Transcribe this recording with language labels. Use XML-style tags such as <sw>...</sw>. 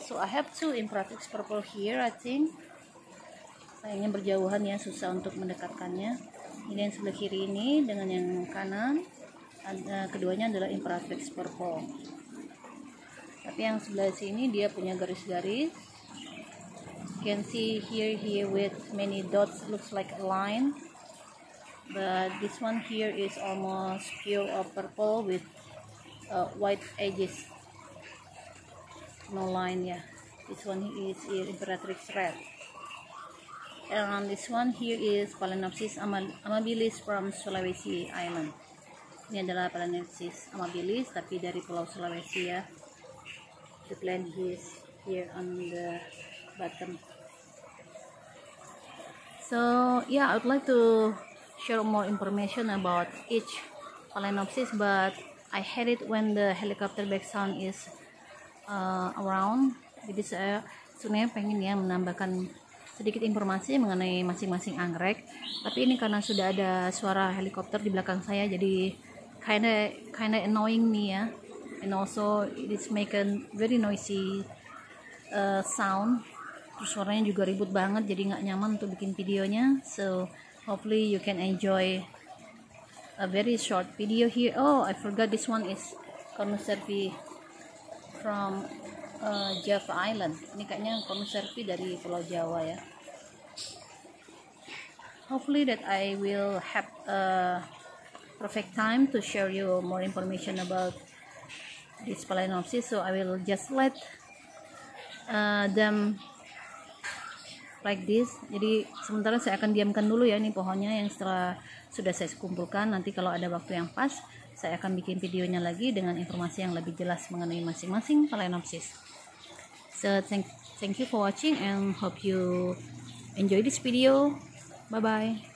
<en>So I have two imperatrix purple here, I think.</en> <id>Sayangnya berjauhan ya, susah untuk mendekatkannya. Ini yang sebelah kiri ini dengan yang kanan. Keduanya adalah imperatrix purple. Tapi yang sebelah sini dia punya garis-garis.</id> <en>Can see here with many dots, looks like a line, but this one here is almost pure of purple with white edges, no line. Yeah, this one is imperatrix red. And this one here is Phalaenopsis amabilis from Sulawesi Island.</en> <id>Ini adalah Phalaenopsis amabilis tapi dari Pulau Sulawesi ya.</id> <en>The plant is here on the bottom. So yeah, I would like to share more information about each Phalaenopsis, but I hate it when the helicopter back sound is around.</en> <id>Jadi saya sebenarnya pengen ya menambahkan sedikit informasi mengenai masing-masing anggrek, tapi ini karena sudah ada suara helikopter di belakang saya, jadi</id> <en>kinda annoying me</en> <id>ya.</id> <en>And also it is making very noisy sound.</en> <id>Terus suaranya juga ribut banget, jadi nggak nyaman untuk bikin videonya.</id> <en>So hopefully you can enjoy a very short video here. Oh, I forgot, this one is cornucerpy from Java Island.</en> <id>Ini kayaknya cornucerpy dari Pulau Jawa ya.</id> <en>Hopefully that I will have a perfect time to share you more information about this Phalaenopsis. So I will just let them like this.</en> <id>Jadi sementara saya akan diamkan dulu ya ini pohonnya, yang setelah sudah saya kumpulkan nanti kalau ada waktu yang pas saya akan bikin videonya lagi dengan informasi yang lebih jelas mengenai masing-masing Phalaenopsis.</id> <en>So thank you for watching and hope you enjoy this video. Bye bye.</en>